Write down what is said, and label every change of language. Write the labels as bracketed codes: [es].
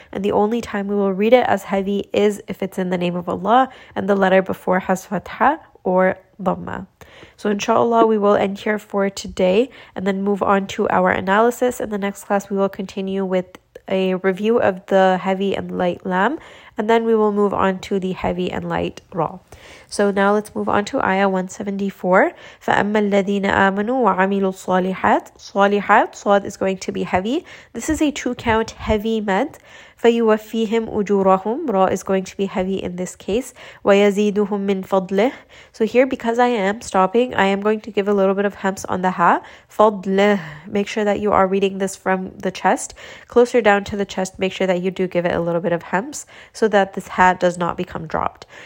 [en] And the only time we will read it as heavy is if it's in the name of Allah and the letter before has fatha or dhamma. So inshallah, we will end here for today and then move on to our analysis. In the next class, we will continue with a review of the heavy and light lam, and then we will move on to the heavy and light ra. So now let's move on to ayah 174. [ar] فَأَمَّا الَّذِينَ آمَنُوا وَعَمِلُوا الصَّالِحَاتِ صَالِحَاتِ صَاد [en] is going to be heavy. This is a two-count heavy med. [ar] فَيُوَفِّيهِمْ أُجُورَهُمْ [en] ra is going to be heavy in this case. [ar] وَيَزِيدُهُمْ مِنْ فَضْلِهِ. [en] So here, because I am stopping, I am going to give a little bit of hems on the ha. [ar] فَضْلِهِ. [en] Make sure that you are reading this from the chest. Closer down to the chest, make sure that you do give it a little bit of hems so that this ha does not become dropped.